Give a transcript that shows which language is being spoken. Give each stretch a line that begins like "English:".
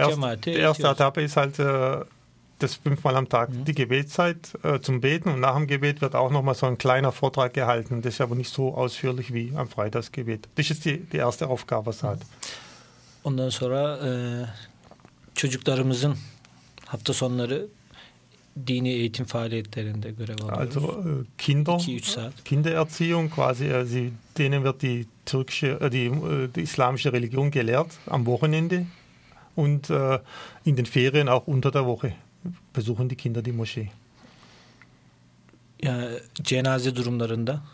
Turkish: also cemaate yetiyoruz.
German: Das fünfmal am Tag die Gebetszeit zum Beten und nach dem Gebet wird auch nochmal so ein kleiner Vortrag gehalten. Das ist aber nicht so ausführlich wie am Freitagsgebet. Das ist die erste Aufgabe, was er hat. Und dann
Turkish: sonra çocuklarımızın hafta sonları dini eğitim faaliyetlerinde görev alıyoruz.
German: Also Kindererziehung quasi, denen wird die türkische, die islamische Religion gelehrt am Wochenende und in den Ferien auch unter der Woche. Besuchen die Kinder die Moschee.
Turkish: Ja, cenaze durumlarında.